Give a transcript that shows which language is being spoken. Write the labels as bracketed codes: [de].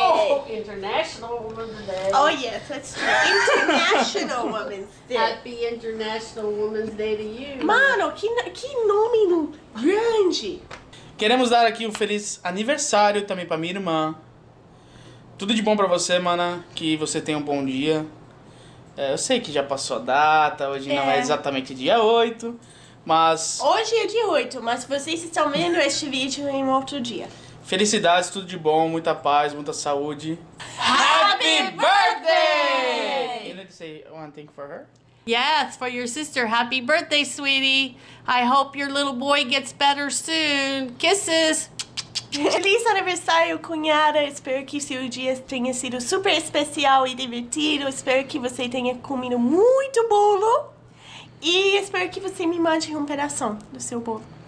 [en] Oh, International Women's Day. Oh yes, that's true. International Women's Day. Happy International Women's Day to you. [pt] Mano, que nome grande! Queremos dar aqui um feliz aniversário também pra minha irmã. Tudo de bom pra você, mana. Que você tenha um bom dia. É, eu sei que já passou a data, hoje não é exatamente dia 8, mas... Hoje é dia 8, mas vocês estão vendo este vídeo em outro dia. Felicidades, tudo de bom, muita paz, muita saúde. [en] Happy birthday! You need to say one thing for her? Yes, for your sister. Happy birthday, sweetie. I hope your little boy gets better soon. Kisses! [pt] Feliz aniversário, cunhada. Espero que seu dia tenha sido super especial e divertido. Espero que você tenha comido muito bolo. E espero que você me mande um pedaço do seu bolo.